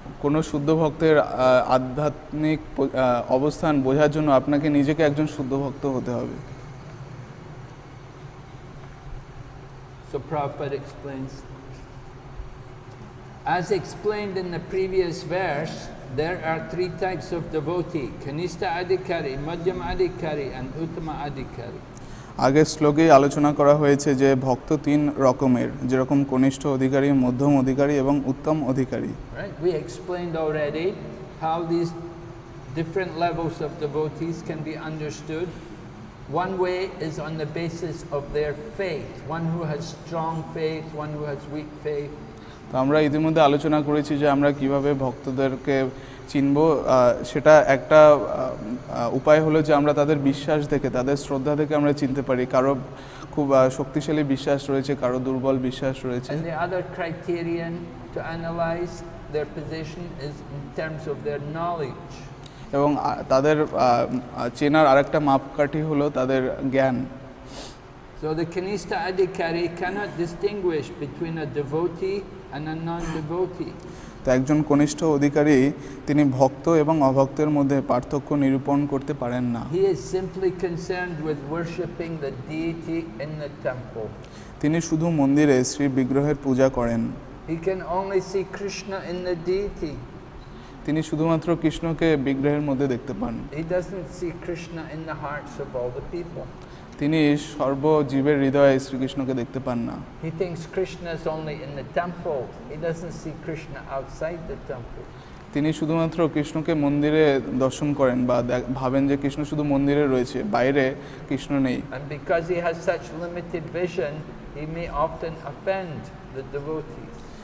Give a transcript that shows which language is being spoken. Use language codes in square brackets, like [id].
[bn] কোনো শুদ্ধ ভক্তের আধ্যাত্মিক অবস্থান বোঝার জন্য আপনাকে নিজেকে একজন শুদ্ধ ভক্ত হতে হবে। [en] So Prabhupada explains, as explained in the previous verse, there are three types of devotee: Kanista Adhikari, Madhyam Adhikari, and Uttama Adhikari. [bn] আগের শ্লোকে আলোচনা করা হয়েছে যে ভক্ত তিন রকমের, যেরকম কনিষ্ঠ অধিকারী, মধ্যম অধিকারী এবং উত্তম অধিকারী। [en] Right? We explained already how these different levels of devotees can be understood. One way is on the basis of their faith. One who has strong faith, one who has weak faith. [bn] তো আমরা ইতিমধ্যে আলোচনা করেছি যে আমরা কিভাবে ভক্তদেরকে চিনব, সেটা একটা উপায় হলো যে আমরা তাদের বিশ্বাস দেখে, তাদের শ্রদ্ধা দেখে আমরা চিনতে পারি কারো খুব শক্তিশালী বিশ্বাস রয়েছে, কারো দুর্বল বিশ্বাস রয়েছে। [en] And the other criterion to analyze their position is in terms of their knowledge. [bn] এবং তাদের চেনার আরেকটা মাপকাঠি হলো তাদের জ্ঞান। [en] So the Kanista Adhikari cannot distinguish between a devotee and a non-devotee. [bn] তো একজন কনিষ্ঠ অধিকারী তিনি ভক্ত এবং অভক্তের মধ্যে পার্থক্য নিরূপণ করতে পারেন না। [en] He is simply concerned with worshiping the deity in the temple. [bn] তিনি শুধু মন্দিরে শ্রী বিগ্রহের পূজা করেন। [en] He can only see Krishna in the deity. [bn] তিনি শুধুমাত্র কৃষ্ণকে বিগ্রহের মধ্যে দেখতে পান। [en] He doesn't see Krishna in the hearts of all the people. [bn] তিনি সর্বজীবের হৃদয়ে শ্রীকৃষ্ণকে দেখতে পান না। [en] He thinks Krishna is only in the temple. He doesn't see Krishna outside the temple. [bn] তিনি শুধুমাত্র কৃষ্ণকে মন্দিরে দর্শন করেন বা ভাবেন যে কৃষ্ণ শুধু মন্দিরে রয়েছে, বাইরে কৃষ্ণ নেই। [en] And because he has such limited vision, he may often offend the devotees.